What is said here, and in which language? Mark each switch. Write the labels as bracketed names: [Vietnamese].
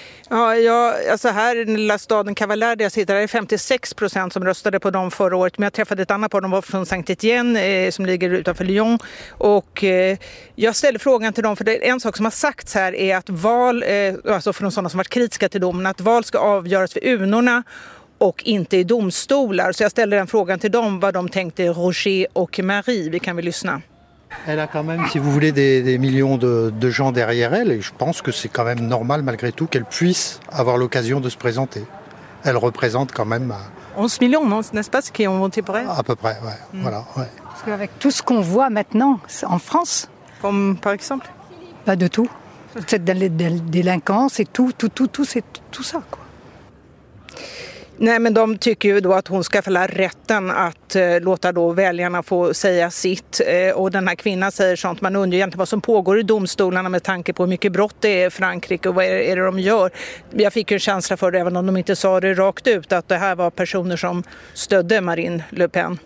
[Swedish] Ja, alltså här i den lilla staden Cavalier där jag sitter, där är 56% som röstade på dem förra året. Men jag träffade ett annat par, de var från Saint-Étienne som ligger utanför Lyon. Och jag ställde frågan till dem, för det är en sak som har sagts här är att val, alltså för de sådana som varit kritiska till domen, att val ska avgöras för urnorna och inte i domstolar. Så jag ställde den frågan till dem vad de tänkte, Roger och Marie. Vi kan väl lyssna. [French] Elle a quand même, si vous voulez, des millions de gens derrière elle, et je pense que c'est quand même normal malgré tout qu'elle puisse avoir l'occasion de se présenter. Elle représente quand même 11 millions, non, n'est-ce pas, ce qui ont voté pour elle? À peu près, ouais. Mm. Voilà, ouais. Parce que avec tout ce qu'on voit maintenant en France, comme par exemple, pas de tout. Cette délinquance et tout c'est tout ça quoi. [Swedish] Nej, men de tycker ju då att hon ska få rätten att låta då väljarna få säga sitt. Och den här kvinnan säger sånt. Man undrar egentligen vad som pågår i domstolarna med tanke på hur mycket brott det är i Frankrike och vad är det de gör. Jag fick ju en känsla för det, även om de inte sa det rakt ut, att det här var personer som stödde Marine Le Pen.